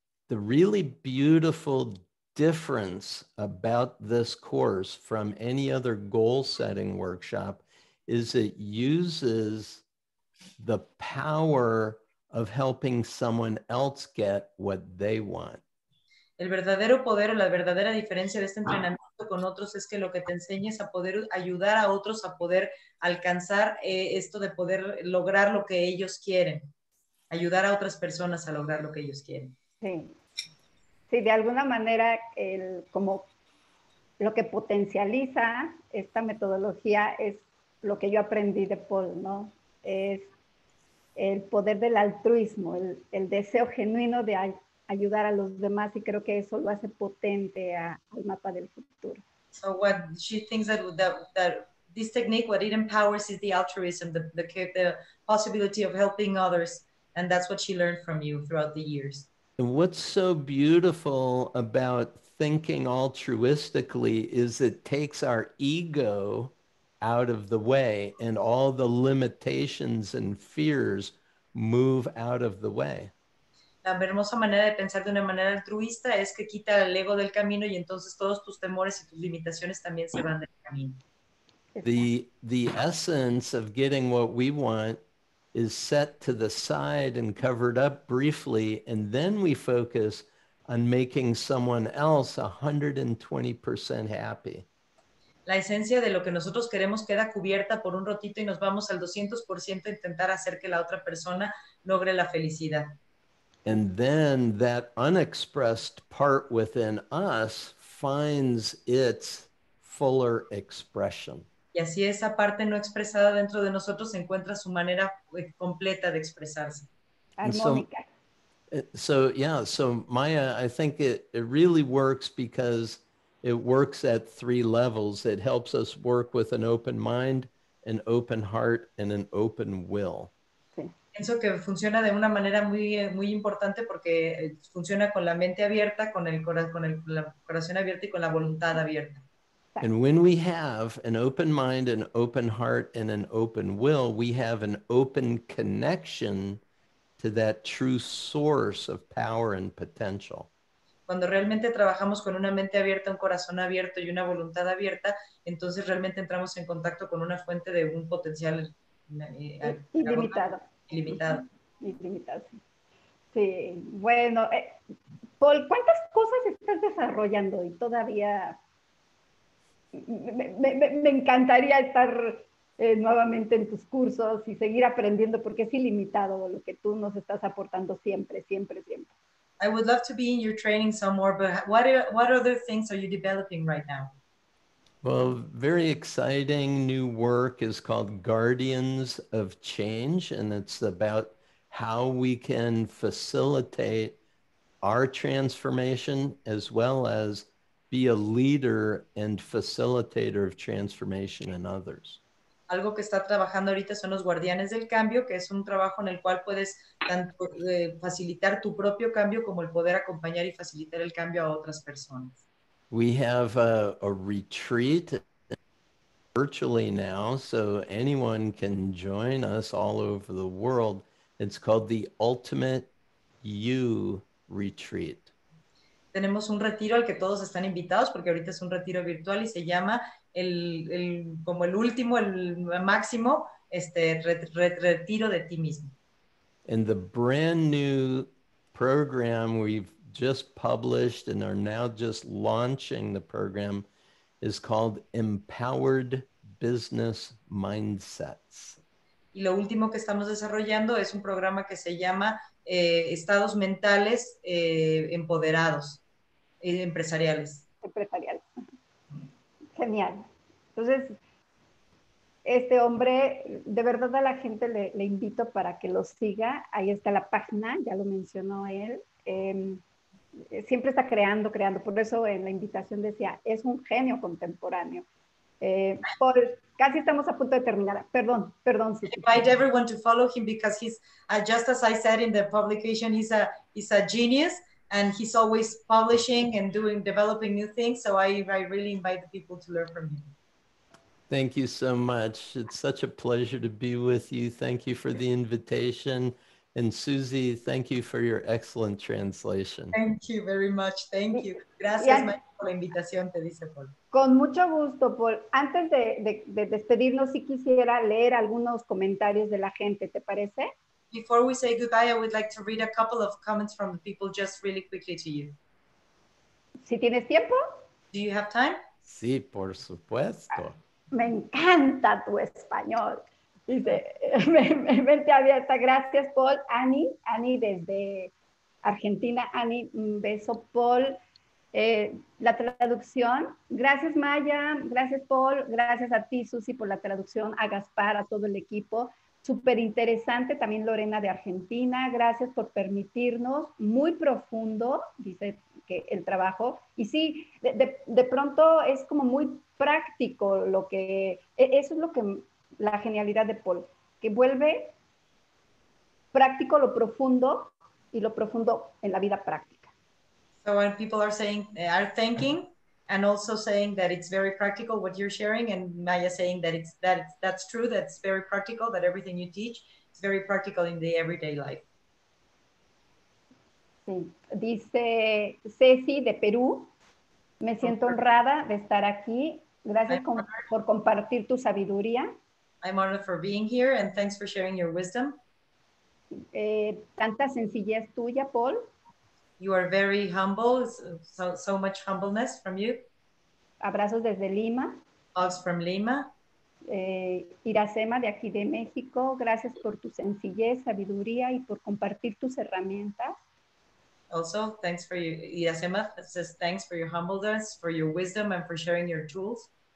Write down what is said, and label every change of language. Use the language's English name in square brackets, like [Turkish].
[English] The really beautiful difference about this course from any other goal setting workshop is it uses the power of helping someone else get what they want. [Spanish] El verdadero poder o la verdadera diferencia de este entrenamiento con otros es que lo que te enseña es a poder ayudar a otros a poder alcanzar esto de poder lograr lo que ellos quieren. Ayudar a otras personas a lograr lo que ellos quieren. Sí. Sí, de alguna manera como lo que potencializa esta metodología es lo que yo aprendí de Paul, ¿no? Es el poder del altruismo, el deseo genuino de ayudar a los demás, y creo que eso lo hace potente al mapa del futuro. [English] So what she thinks that this technique, what it empowers is the altruism, the possibility of helping others, and that's what she learned from you throughout the years. And what's so beautiful about thinking altruistically is it takes our ego out of the way and all the limitations and fears move out of the way. [Spanish] La hermosa manera de pensar de una manera altruista es que quita el ego del camino y entonces todos tus temores y tus limitaciones también se van del camino. [English] The essence of getting what we want is set to the side and covered up briefly, and then we focus on making someone else 120% happy. [Spanish] La esencia de lo que nosotros queremos queda cubierta por un ratito y nos vamos al 200% a intentar hacer que la otra persona logre la felicidad. [English] And then that unexpressed part within us finds its fuller expression. [Spanish] Y así esa parte no expresada dentro de nosotros encuentra su manera completa de expresarse. Armónica. [English] So Maya, I think it really works because it works at three levels. It helps us work with an open mind, an open heart, and an open will. [Spanish] Sí. Pienso que funciona de una manera muy, muy importante porque funciona con la mente abierta, con el corazón abierto y con la voluntad abierta. [English] And when we have an open mind, an open heart, and an open will, we have an open connection to that true source of power and potential. [Spanish] Cuando realmente trabajamos con una mente abierta, un corazón abierto y una voluntad abierta, entonces realmente entramos en contacto con una fuente de un potencial ilimitado. Ilimitado. Sí, bueno, Paul, ¿cuántas cosas estás desarrollando? Y todavía me encantaría estar nuevamente en tus cursos y seguir aprendiendo, porque es ilimitado lo que tú nos estás aportando siempre, siempre, siempre. [English] I would love to be in your training some more, but what other things are you developing right now? Well, very exciting new work is called Guardians of Change, and it's about how we can facilitate our transformation as well as be a leader and facilitator of transformation in others. [Spanish] Algo que está trabajando ahorita son los Guardianes del Cambio, que es un trabajo en el cual puedes tanto facilitar tu propio cambio como el poder acompañar y facilitar el cambio a otras personas. [English] We have a retreat virtually now, so anyone can join us all over the world. It's called the Ultimate You Retreat. [Spanish] Tenemos un retiro al que todos están invitados, porque ahorita es un retiro virtual y se llama el retiro de ti mismo. [English] And the brand new program we've just published and are now just launching the program is called Empowered Business Mindsets. [Spanish] Y lo último que estamos desarrollando es un programa que se llama Estados Mentales Empoderados Empresariales. Empresarial. Genial. Entonces, este hombre, de verdad a la gente le invito para que lo siga. Ahí está la página, ya lo mencionó él. Siempre está creando. Por eso en la invitación decía, es un genio contemporáneo. Casi estamos a punto de terminar. Perdón. [English] I invite everyone to follow him because he's, just as I said in the publication, he's a genius and he's always publishing and developing new things. So I really invite the people to learn from him. Thank you so much. It's such a pleasure to be with you. Thank you for the invitation. And Susie, thank you for your excellent translation. Thank you very much. Thank you. [Spanish] Gracias, Mike, por la invitación, te dice Paul. Con mucho gusto, Paul. Antes de despedirnos, si quisiera leer algunos comentarios de la gente, ¿te parece? [English] Before we say goodbye, I would like to read a couple of comments from the people just really quickly to you. [Spanish] ¿Si tienes tiempo? [English] Do you have time? [Spanish] Sí, por supuesto. Me encanta tu español. Dice, mente abierta. Gracias, Paul. Ani desde Argentina. Ani, un beso, Paul. La traducción. Gracias, Maya. Gracias, Paul. Gracias a ti, Susi, por la traducción. A Gaspar, a todo el equipo. Súper interesante. También Lorena de Argentina. Gracias por permitirnos. Muy profundo, dice que el trabajo. Y sí, de pronto es como muy práctico lo que... Eso es lo que... La genialidad de Paul, que vuelve práctico lo profundo y lo profundo en la vida práctica. [English] So when people are saying, are thanking and also saying that it's very practical what you're sharing, and Maya saying that that's true, that's very practical, that everything you teach is very practical in the everyday life. [Spanish] Sí, dice Ceci de Perú, me siento honrada de estar aquí. Gracias por compartir tu sabiduría. [English] I'm honored for being here and thanks for sharing your wisdom. [Spanish] Tanta sencillez tuya, Paul. [English] You are very humble, so much humbleness from you. [Spanish] Abrazos desde Lima. [English] Hugs from Lima. [Spanish] Iracema de aquí de México, gracias por tu sencillez, sabiduría y por compartir tus herramientas. [English] Also, thanks for your, Iracema says thanks for your humbleness, for your wisdom and for sharing your tools.